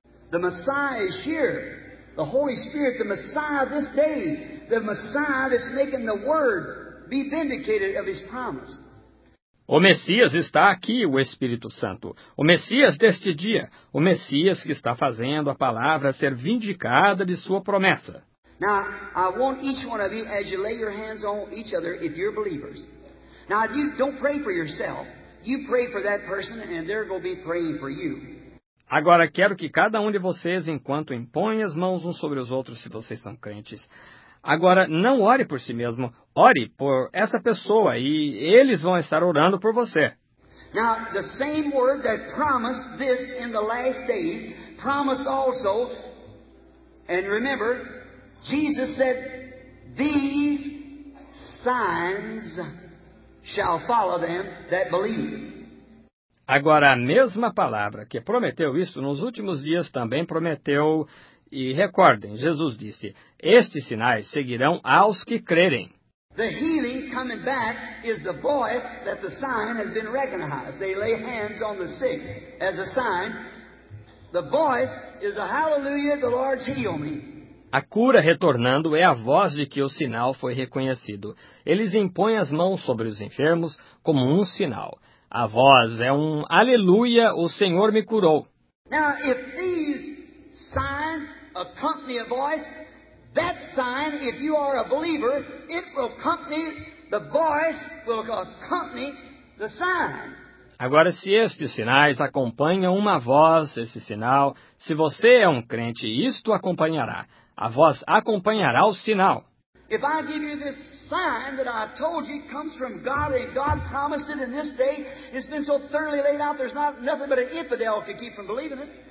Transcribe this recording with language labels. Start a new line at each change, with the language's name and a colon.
English: The Messiah is here. The Holy Spirit, the Messiah this day. The Messiah that's making the word be vindicated of his promise.
Portuguese: O Messias está aqui, o Espírito Santo. O Messias deste dia. O Messias que está fazendo a palavra ser vindicada de sua promessa.
English: Now, I want each one of you, as you lay your hands on each other, if you're believers. Now, if you don't pray for yourself, you pray for that person, and they're going to be praying for you.
Portuguese: Agora, quero que cada um de vocês, enquanto impõe as mãos uns sobre os outros, se vocês são crentes, agora, não ore por si mesmo. Ore por essa pessoa e eles vão estar orando por você.
English: Now, the same word that promised this in the last days promised also, and remember, Jesus said, these signs shall follow them that believe.
Portuguese: Agora, a mesma palavra que prometeu isso nos últimos dias também prometeu. E recordem, Jesus disse, estes sinais seguirão aos que crerem.
English: The healing coming back is the voice that the sign has been recognized. They lay hands on the sick as a sign. The voice is a hallelujah, the Lord's healed me.
Portuguese: A cura retornando é a voz de que o sinal foi reconhecido. Eles impõem as mãos sobre os enfermos como um sinal. A voz é um aleluia, o Senhor me curou.
English: Now, if these signs accompany a voice, that sign, if you are a believer, it will accompany, the voice will accompany the sign.
Portuguese: Agora, se estes sinais acompanham uma voz, esse sinal, se você é um crente, isto acompanhará. A voz acompanhará o sinal.
English: If I give you this sign that I told you comes from God, and God promised it in this day, it's been so thoroughly laid out, there's not nothing but an infidel to keep from believing it.